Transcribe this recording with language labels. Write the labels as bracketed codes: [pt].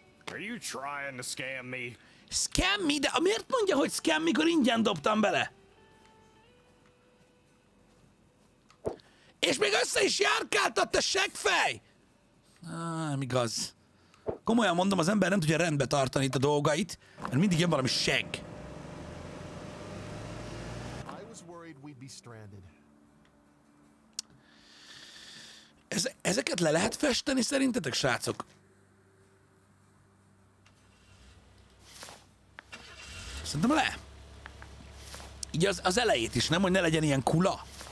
[en] Are you trying to scam me? Scam me? [hu] De miért mondja, hogy scam, mikor ingyen dobtam bele? És még össze is járkáltatta, seggfej! Nem igaz. Komolyan mondom, az ember nem tudja rendbe tartani itt a dolgait, mert mindig jön valami segg. [en] I was worried we'd be stranded. [hu] Ezeket le lehet festeni szerintetek, srácok? Szerintem le. Így az elejét is, nem, hogy ne legyen ilyen kula.